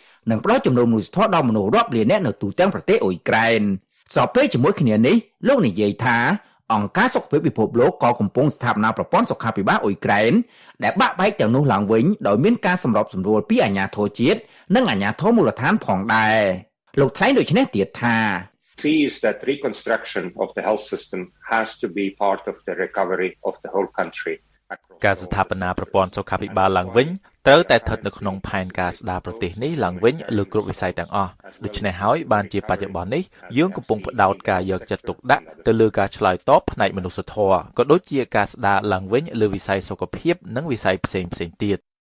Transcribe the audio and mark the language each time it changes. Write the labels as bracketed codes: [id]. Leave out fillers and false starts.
[km] និងផ្តល់ជំនួយមនុស្សធម៌ដល់មនុស្សរាប់លាននាក់នៅទូទាំងប្រទេសអ៊ុយក្រែនស្របពេលជាមួយគ្នានេះលោកនិយាយថាអង្គការសុខភាពពិភពលោកក៏កំពុងស្ថាបនាប្រព័ន្ធសុខាភិបាលអ៊ុយក្រែនដែលបាក់បែកទាំងនោះឡើងវិញដោយមានការសម្របសម្រួលពីអាជ្ញាធរជាតិនិងអាជ្ញាធរមូលដ្ឋានផងដែរលោកថ្លែងដូចនេះទៀតថា [en] sees that reconstruction of the health system has to be part of the recovery of the whole country [km] ការស្ថាបនាប្រព័ន្ធសុខាភិបាលឡើងវិញត្រូវតែស្ថិតនៅក្នុងផែនការស្ដារប្រទេសនេះឡើងវិញលើគ្រប់វិស័យទាំងអស់ដូច្នេះហើយបានជាបច្ចុប្បន្ននេះយើងកំពុងផ្ដោតការយកចិត្តទុកដាក់ទៅលើការឆ្លើយតបផ្នែកមនុស្សធម៌ក៏ដូចជាការស្ដារឡើងវិញលើវិស័យសុខភាពនិងវិស័យផ្សេងផ្សេងទៀត